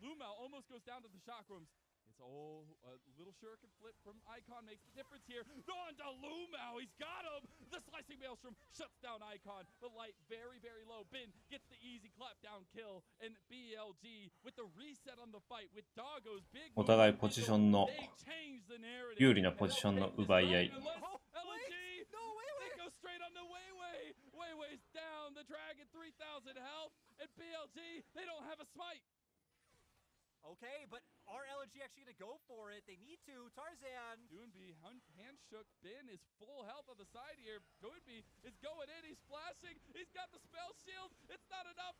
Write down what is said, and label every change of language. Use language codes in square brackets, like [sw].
[en] Lumel almost goes down to the Chakrams. It's all a little shuriken flip from Icon makes the difference here. On to Lumel, he's got him. The slicing maelstrom shuts down Icon. The light very, very low. Ben gets the easy clap down kill, and BLG with the reset on the fight with Doggo's big. [ja] お互いポジションの有利なポジションの奪い合い。 [en] Wayway's down. The dragon 3,000 health, and BLG they don't have a smite. Okay, but. Are LNG actually going to go for it? They need to. Tarzan. Doonby handshook. Ben is full health on the side here. Doonby is going in. He's flashing. He's got the spell shield. It's not enough.